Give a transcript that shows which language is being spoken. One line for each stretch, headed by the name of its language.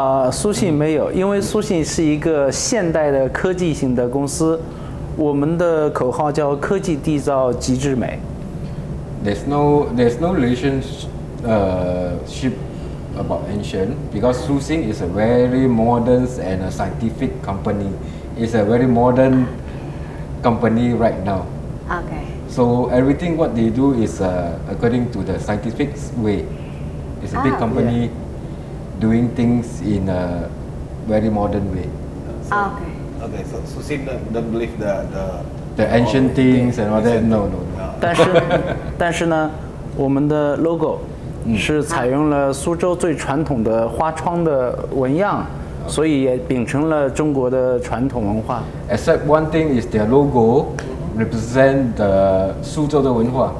Chinese: 苏信没有，因为苏信是一个现代的科技型的公司。我们的口号叫科技缔造极致美。
English: There's no relationship about ancient because Suxing is a very modern and a scientific company. It's a very modern company right now. Okay. So everything what they do is according to the scientific way. It's a big company doing things in a very modern way. So Suxing don't believe the ancient things and all that. No.
Chinese: 但是呢，我们的 logo 是采用了苏州最传统的花窗的纹样，所以也秉承了中国的传统文化。
English: Except one thing is their logo represent the
Chinese: 苏州的文化。